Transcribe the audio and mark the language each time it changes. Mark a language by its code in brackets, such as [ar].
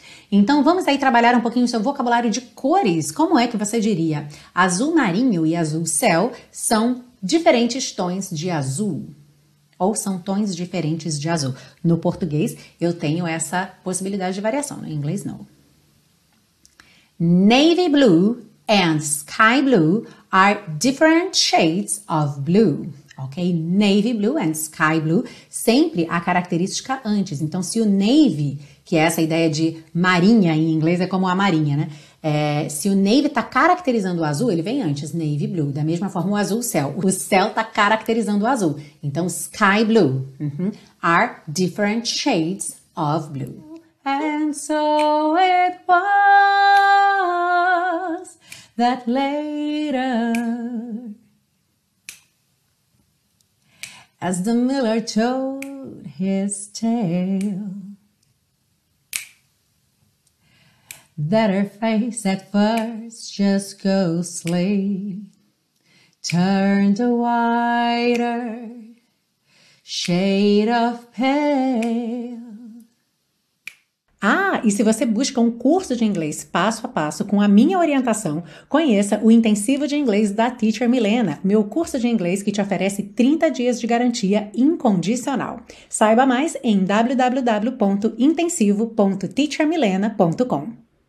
[pt] Então vamos aí trabalhar um pouquinho o seu vocabulário de cores. Como é que você diria? Azul marinho e azul céu são diferentes tons de azul. Ou são tons diferentes de azul. No português, eu tenho essa possibilidade de variação. No inglês, não. [en] Navy blue and sky blue are different shades of blue. Ok? Navy blue and sky blue. [pt] Sempre a característica antes. Então, se o navy, que é essa ideia de marinha em inglês, é como a marinha, né? Se o navy está caracterizando o azul, ele vem antes, navy blue. Da mesma forma, o azul céu. O céu está caracterizando o azul. [en] Então, sky blue. Are different shades of blue. And so it was that later, as the miller told his tale, that her face at first just ghostly turned a whiter shade of pale. [pt] Ah, e se você busca um curso de inglês passo a passo com a minha orientação, conheça o Intensivo de Inglês da Teacher Milena, meu curso de inglês que te oferece 30 dias de garantia incondicional. Saiba mais em www.intensivo.teachermilena.com.